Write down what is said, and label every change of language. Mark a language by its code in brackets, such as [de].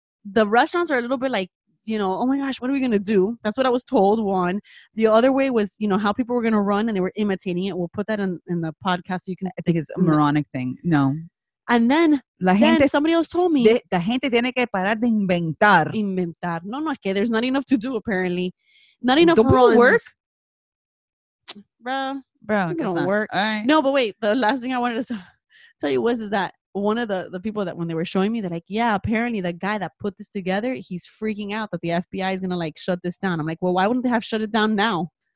[en] The restaurants are a little bit like, you know, oh my gosh, what are we going to do? That's what I was told, one. The other way was, you know, how people were going to run and they were imitating it. We'll put that in the podcast so you can. I think it's a moronic thing. No. And then, somebody else told me. [es] La gente tiene que parar de inventar. Inventar. No, es que [en] there's not enough to do, apparently. Not enough runs. Don't work? Bro, it don't work. All right. No, but wait. The last thing I wanted to tell you was that one of the people that when they were showing me, they're like, yeah, apparently the guy that put this together, he's freaking out that the FBI is going to like shut this down. I'm like, well, why wouldn't they have shut it down now?